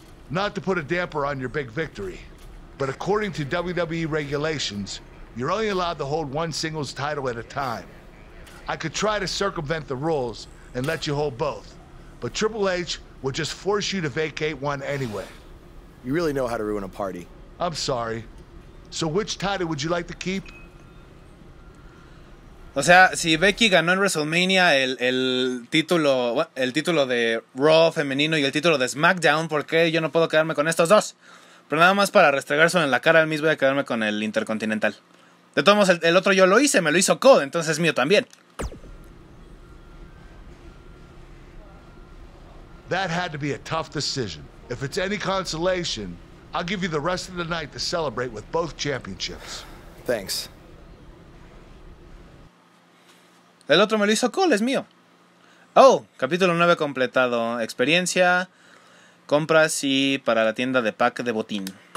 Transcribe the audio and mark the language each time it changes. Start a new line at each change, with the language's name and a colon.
English: Not to put a damper on your big victory, but according to WWE regulations, you're only allowed to hold one singles title at a time. I could try to circumvent the rules and let you hold both, but Triple H would just force you to vacate one anyway. You really know how to ruin a party. I'm sorry. So which title would you like to keep?
Spanish: O sea, si Becky ganó en WrestleMania el título de Raw femenino y el título de SmackDown, ¿por qué yo no puedo quedarme con estos dos? Pero nada más para restregárselo en la cara al Miz, voy a quedarme con el Intercontinental. De todos modos, el otro yo lo hice, me lo hizo Code, entonces es mío también.
English: That had to be a tough decision. If it's any consolation, I'll give you the rest of the night to celebrate with both championships. Thanks.
Spanish: El otro me lo hizo Cole, es mío. Oh, capítulo 9 completado. Experiencia, compras y para la tienda de pack de botín.